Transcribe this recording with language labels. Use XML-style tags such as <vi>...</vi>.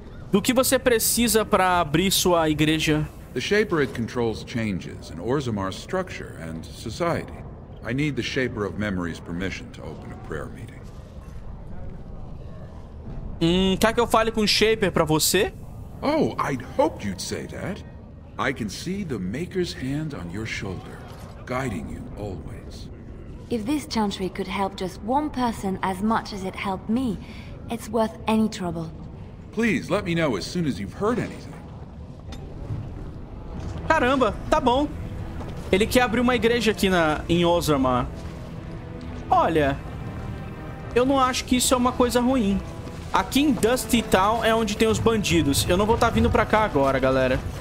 <pt>Do que você precisa para abrir sua igreja?</pt> <en>The Shaper it controls changes in Orzammar's structure and society. I need the Shaper of Memory's permission to open a prayer meeting.</en> <pt>Quer que eu fale com o Shaper para você?</pt> <en>Oh, I'd hoped you'd say that. I can see the Maker's hand on your shoulder, guiding you always. If this chantry could help just one person as much as it helped me, it's worth any trouble. Please, let me know as soon as you've heard anything.</en> <pt>Caramba, tá bom. Ele quer abrir uma igreja aqui em Orzammar. Olha, eu não acho que isso é uma coisa ruim. Aqui em Dusty Town é onde tem os bandidos. Eu não vou estar vindo pra cá agora, galera.</pt>